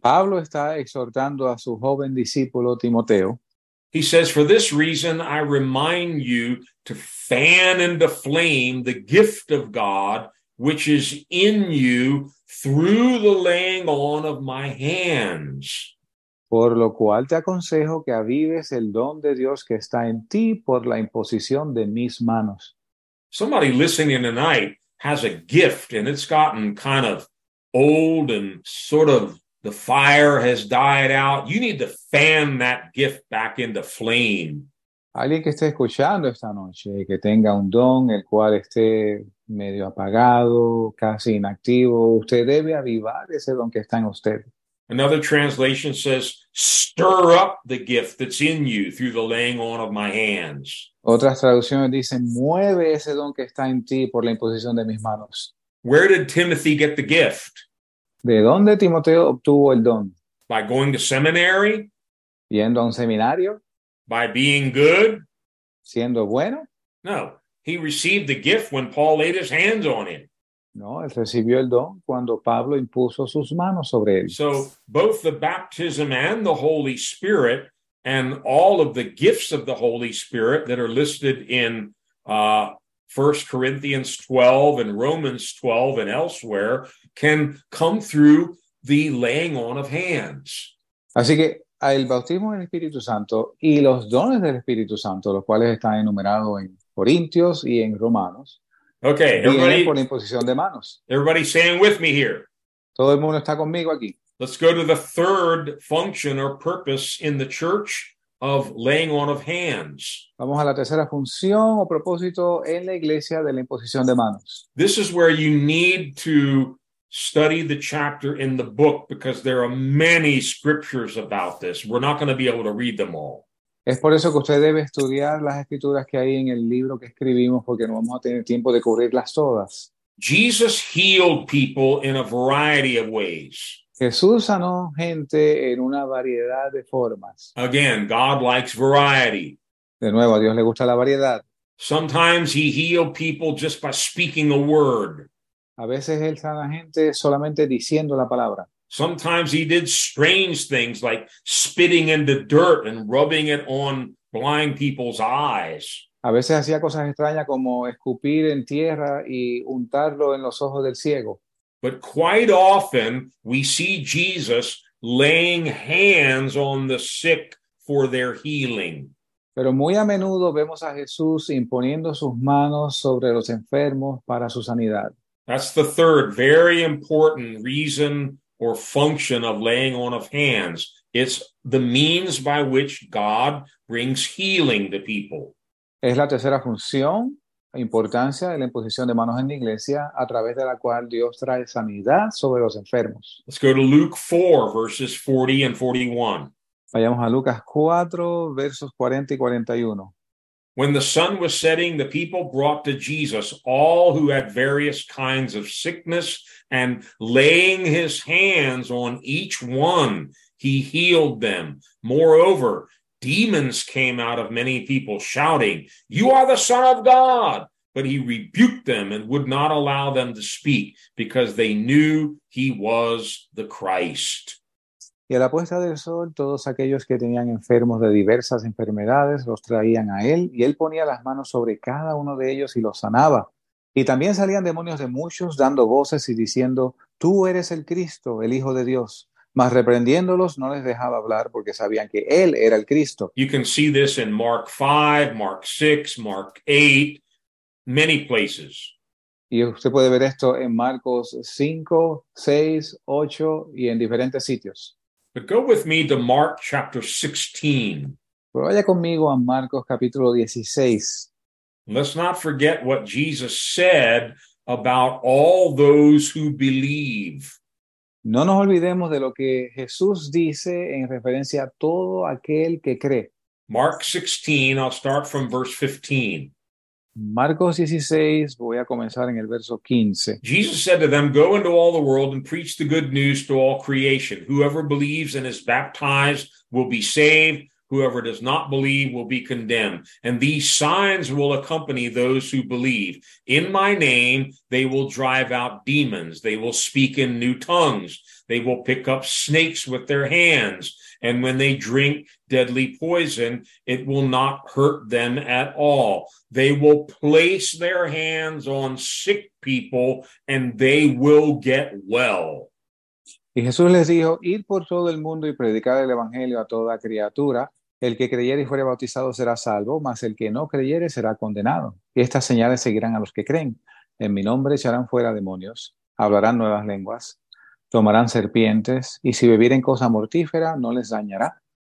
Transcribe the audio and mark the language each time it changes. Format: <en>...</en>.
<es>Pablo está exhortando a su joven discípulo Timoteo.</es> <en>He says, "For this reason I remind you to fan into flame the gift of God which is in you through the laying on of my hands."</en> <es>Por lo cual te aconsejo que avives el don de Dios que está en ti por la imposición de mis manos.</es> <en>Somebody listening tonight has a gift and it's gotten kind of old and sort of the fire has died out. You need to fan that gift back into flame.</en> <es>Alguien que esté escuchando esta noche, que tenga un don el cual esté medio apagado, casi inactivo, usted debe avivar ese don que está en usted.</es> <en>Another translation says, "Stir up the gift that's in you through the laying on of my hands."</en> <es>Otras traducciones dicen, "Mueve ese don que está en ti por la imposición de mis manos."</es> <en>Where did Timothy get the gift?</en> <es>¿De dónde Timoteo obtuvo el don?</es> <en>By going to seminary?</en> <es>Yendo a un seminario?</es> <en>By being good?</en> <es>Siendo bueno?</es> <en>No, he received the gift when Paul laid his hands on him.</en> <es>No, él recibió el don cuando Pablo impuso sus manos sobre él.</es> <en>So both the baptism and the Holy Spirit and all of the gifts of the Holy Spirit that are listed in 1 Corinthians 12 and Romans 12 and elsewhere can come through the laying on of hands.</en> <es>Así que el bautismo del Espíritu Santo y los dones del Espíritu Santo, los cuales están enumerados en Corintios y en Romanos, okay, viene por la imposición de manos.</es> <en>Everybody staying with me here.</en> <es>Todo el mundo está conmigo aquí.</es> <en>Let's go to the third function or purpose in the church of laying on of hands.</en> <es>Vamos a la tercera función o propósito en la iglesia de la imposición de manos.</es> <en>This is where you need to study the chapter in the book because there are many scriptures about this. We're not going to be able to read them all.</en> <es>Es por eso que usted debe estudiar las escrituras que hay en el libro que escribimos porque no vamos a tener tiempo de cubrirlas todas.</es> <en>Jesus healed people in a variety of ways.</en> <es>Jesús sanó gente en una variedad de formas.</es> <en>Again, God likes variety.</en> <es>De nuevo, a Dios le gusta la variedad.</es> <en>Sometimes he healed people just by speaking a word.</en> <es>A veces él sana gente solamente diciendo la palabra.</es> <en>Sometimes he did strange things like spitting in the dirt and rubbing it on blind people's eyes.</en> <es>A veces hacía cosas extrañas como escupir en tierra y untarlo en los ojos del ciego.</es> <en>But quite often we see Jesus laying hands on the sick for their healing.</en> <es>Pero muy a menudo vemos a Jesús imponiendo sus manos sobre los enfermos para su sanidad.</es> <en>That's the third very important reason or function of laying on of hands. It's the means by which God brings healing to people.</en> <es>Es la tercera función, importancia de la imposición de manos en la iglesia, a través de la cual Dios trae sanidad sobre los enfermos.</es> <en>Let's go to Luke 4, verses 40 and 41.</en> <es>Vayamos a Lucas 4, versos 40 y 41.</es> <en>When the sun was setting, the people brought to Jesus all who had various kinds of sickness, and laying his hands on each one, he healed them. Moreover, demons came out of many people shouting, "You are the Son of God!" But he rebuked them and would not allow them to speak because they knew he was the Christ.</en> <es>Y a la puesta del sol, todos aquellos que tenían enfermos de diversas enfermedades los traían a él, y él ponía las manos sobre cada uno de ellos y los sanaba. Y también salían demonios de muchos, dando voces y diciendo, "Tú eres el Cristo, el Hijo de Dios." Mas reprendiéndolos, no les dejaba hablar, porque sabían que él era el Cristo.</es> <en>You can see this in Mark 5, Mark 6, Mark 8, many places.</en> <es>Y usted puede ver esto en Marcos 5, 6, 8 y en diferentes sitios.</es> <en>But go with me to Mark chapter 16.</en> <es>Pero vaya conmigo a Marcos capítulo 16.</es> <en>Let's not forget what Jesus said about all those who believe.</en> <es>No nos olvidemos de lo que Jesús dice en referencia a todo aquel que cree.</es> <en>Mark 16, I'll start from verse 15.</en> <es>Marcos 16, voy a comenzar en el verso 15.</es> <en>Jesus said to them, go into all the world and preach the good news to all creation. Whoever believes and is baptized will be saved. Whoever does not believe will be condemned. And these signs will accompany those who believe. In my name, they will drive out demons. They will speak in new tongues. They will pick up snakes with their hands. And when they drink deadly poison, it will not hurt them at all. They will place their hands on sick people and they will get well.</en> <es>Y Jesús les dijo, ir por todo el mundo y predicar el evangelio a toda criatura. El que creyere y fuere bautizado será salvo, mas el que no creyere será condenado. Y estas señales seguirán a los que creen. En mi nombre echarán fuera demonios, hablarán nuevas lenguas, tomarán serpientes, y si bebieren cosa mortífera, no les dañará.</es>